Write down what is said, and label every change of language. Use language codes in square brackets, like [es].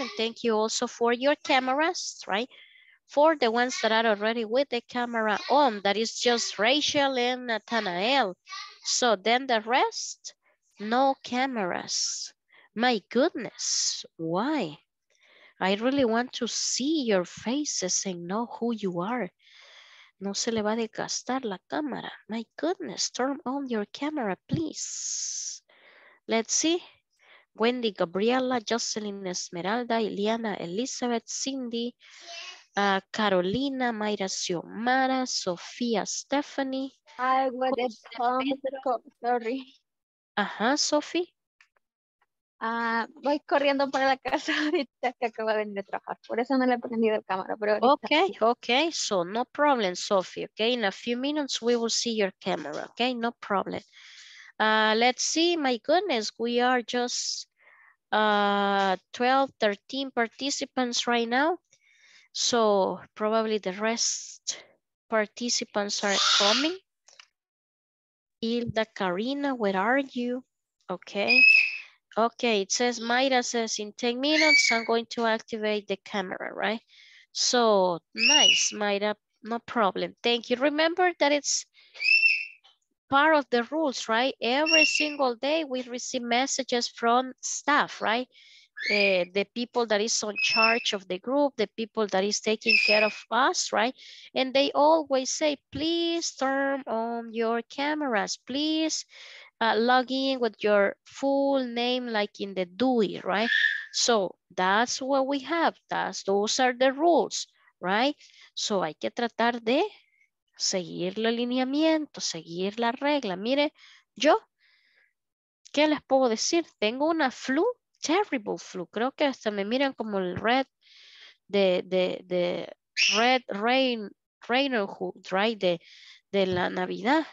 [en] And thank you also for your cameras, right? For the ones that are already with the camera on, that is just Rachel and Nathanael. So then the rest, no cameras. My goodness, why? I really want to see your faces and know who you are. [es] No se le va a desgastar la cámara. [en] My goodness, turn on your camera, please. Let's see. Wendy, Gabriela, Jocelyn, Esmeralda, Ileana, Elizabeth, Cindy, Carolina, Mayra, Xiomara, Sofía, Stephanie. I would come, sorry. [es] Ajá, Sofi. Voy corriendo para la casa ahorita que acabo de venir de trabajar. Por eso no le he prendido la cámara. Pero [en] okay, okay. So no problem, Sofi. Okay, in a few minutes we will see your camera. Okay, no problem. Let's see, my goodness, we are just 12, 13 participants right now. So probably the rest participants are coming. Hilda, Karina, where are you? Okay. Okay, it says, Mayra says, in 10 minutes, I'm going to activate the camera, right? So nice, Mayra, no problem. Thank you. Remember that it's part of the rules, right? Every single day we receive messages from staff, right? The people that is in charge of the group, the people that is taking care of us, right? And they always say, please turn on your cameras. Please log in with your full name like in the DUI, right? So that's what we have. Those are the rules, right? [es] So hay que tratar de seguir el lineamiento, seguir la regla. Mire, yo, ¿qué les puedo decir? Tengo una flu, [en] terrible flu. [es] Creo que hasta me miran como el red, de red rain, rainerhood, right? De la Navidad.